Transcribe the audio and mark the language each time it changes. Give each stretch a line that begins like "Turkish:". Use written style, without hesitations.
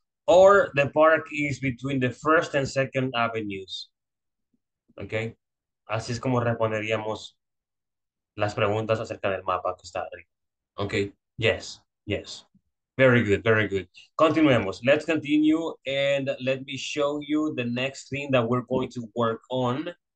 English: Or the park is between the First and Second Avenues. Okay.
Spanish: Así es como responderíamos las preguntas acerca del mapa que está arriba.
English: Okay. Yes. Yes. Very good. Very good.
Spanish: Continuemos.
English: Let's continue and let me show you the next thing that we're going to work on.